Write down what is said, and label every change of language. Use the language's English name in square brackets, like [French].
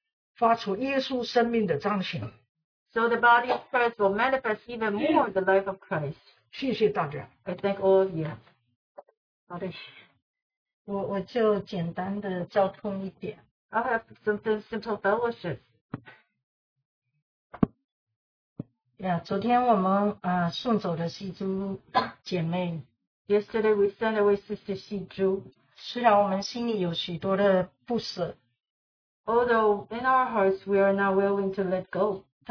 [Chinese] 让我们的身体更加发出耶稣生命的彰显, [English] so the body of Christ will manifest even more the life of Christ. [Chinese] 谢谢大家, [English] I thank all of you. [Chinese] 好的，我就简单的交通一点。 [English] I'll have some simple fellowship. [Chinese] 昨天我们送走了西珠姐妹。 [English] Yesterday we sent away Sister Sizu. [Chinese] 虽然我们心里有许多的不舍, [English] although in our hearts we are not willing to let go.